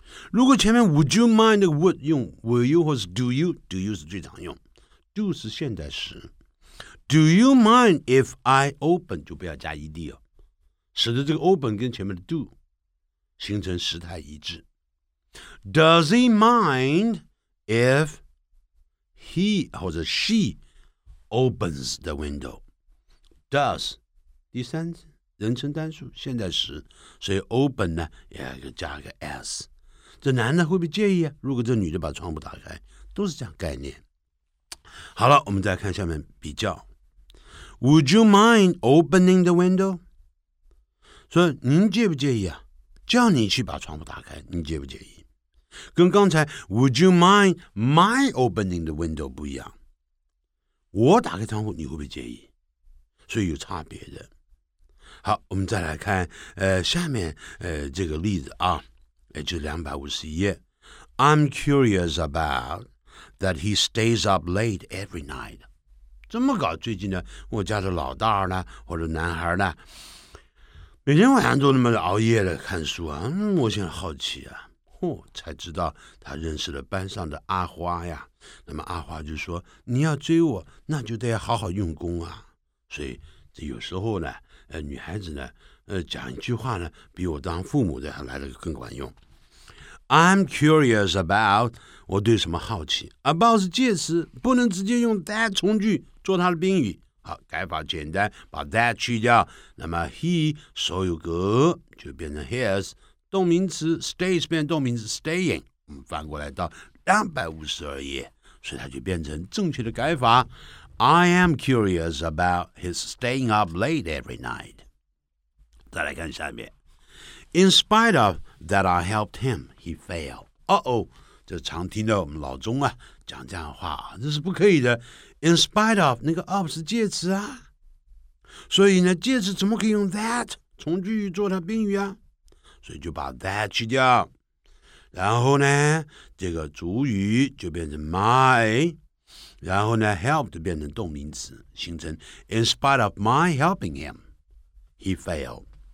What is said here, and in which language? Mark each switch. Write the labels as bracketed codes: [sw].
[zh] 如果前面 would you mind would 用 will you 或是 do you 是最常用， do 是现在时， [en] do you mind if I open [zh] 就不要加 ed 了，使得这个 open 跟前面的 do 形成时态一致。 [en] Does he mind if he 或者 she opens the window? [zh] Does 第三人称单数现在时，所以 open 呢要加个 s，这男的会不会介意啊？如果这女的把窗户打开，都是这样概念。好了，我们再看下面比较。 [en] Would you mind opening the window? [zh] 所以您介不介意啊？叫你去把窗户打开，你介不介意？跟刚才 [en] Would you mind my opening the window [zh] 不一样。我打开窗户，你会不会介意？所以有差别的。好，我们再来看下面这个例子啊，就251页。 [en] I'm curious about that he stays up late every night. [zh] 怎么搞？最近呢，我家的老大呢，或者男孩呢，每天晚上都那么熬夜的看书啊，我现在好奇啊。哦，才知道他认识了班上的阿花呀。那么阿花就说，你要追我，那就得好好用功啊。所以这有时候呢，女孩子呢，讲一句话呢，比我当父母的还来得更管用。 [en] I'm curious about, [zh] 我对什么好奇。 About 是介词，不能直接用 that 从句做它的宾语。好，改法简单，把 that 去掉，那么 he 所有格就变成 his。动名词 stays 变动名词 staying， 我们翻过来到252页，所以它就变成正确的改法。 [en] I am curious about his staying up late every night. [zh] 再来看下面。 [en] In spite of that I helped him, he failed. [zh] 这常听到我们老钟啊讲这样的话，这是不可以的。 [en] In spite of, [zh] 那个 of 是介词啊。所以呢，介词怎么可以用 that 从句做它宾语啊？所以就把 that 去掉，然后呢，这个主语就变成 my， 然后呢 ，helped 变成动名词，形成 [en] in spite of my helping him, he failed。